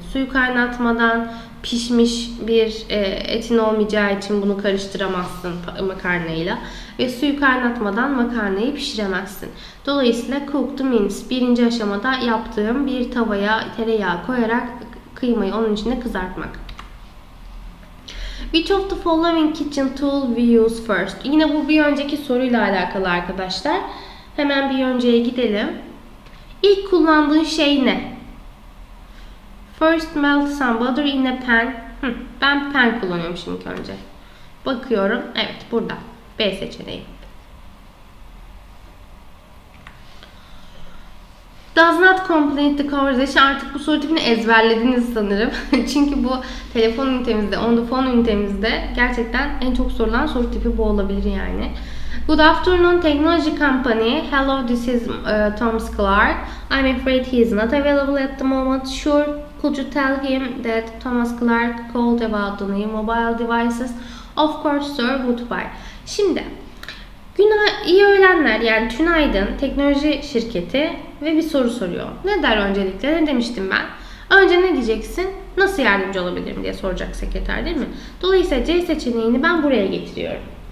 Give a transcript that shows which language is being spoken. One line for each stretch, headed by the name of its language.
Turkish: Suyu kaynatmadan pişmiş bir etin olmayacağı için bunu karıştıramazsın makarnayla. Ve suyu kaynatmadan makarnayı pişiremezsin. Dolayısıyla
English: cook the mince.
Turkish: Birinci aşamada yaptığım bir tavaya tereyağı koyarak kıymayı onun içinde kızartmak.
English: Which of the following kitchen tool we use first?
Turkish: Yine bu bir önceki soruyla alakalı arkadaşlar. Hemen bir önceye gidelim. İlk kullandığın şey ne?
English: First melt some butter in a pan.
Turkish: Ben pan kullanıyorum şimdi önce. Bakıyorum. Evet burada. B seçeneği.
English: Does not complete the conversation.
Turkish: Artık bu soru tipini ezberlediniz sanırım. Çünkü bu telefon ünitemizde,
English: on the phone
Turkish: ünitemizde gerçekten en çok sorulan soru tipi bu olabilir yani.
English: Good afternoon, technology company. Hello, this is Thomas Clark. I'm afraid he is not available at the moment. Sure, could you tell him that Thomas Clark called about the new mobile devices? Of course, sir. Goodbye.
Turkish: Şimdi, iyi öğlenler yani tünaydın teknoloji şirketi ve bir soru soruyor. Ne der öncelikle? Ne demiştim ben? Önce ne diyeceksin? Nasıl yardımcı olabilirim diye soracak sekreter değil mi? Dolayısıyla C seçeneğini ben buraya getiriyorum.